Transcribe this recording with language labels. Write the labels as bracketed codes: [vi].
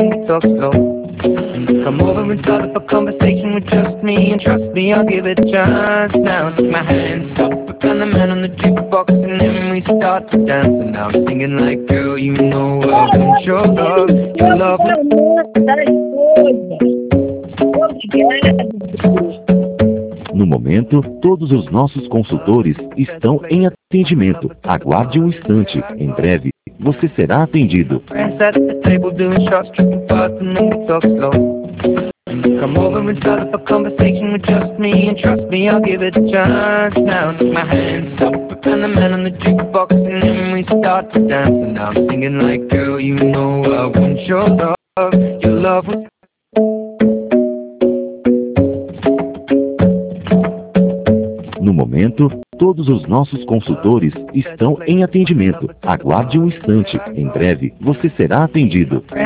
[en] Come over and start up a conversation with just me, and trust me, I'll give it a chance. Now take my hand, stop, put on the man on the jukebox, and then we start to dance. And now I'm singing like, girl, you know I want your love, your love. [pt] No momento, todos os nossos consultores estão em atendimento. Aguarde um instante, em breve, você será atendido. [en] Come over and start up a conversation with just me, and trust me, I'll give it a chance. Now take my hand, stop, put on the man on the jukebox, and then we start to dance. And I'm singing like, girl, you know I want your love was. [pt] No momento, todos os nossos consultores estão em atendimento. Aguarde um instante. Em breve, você será atendido.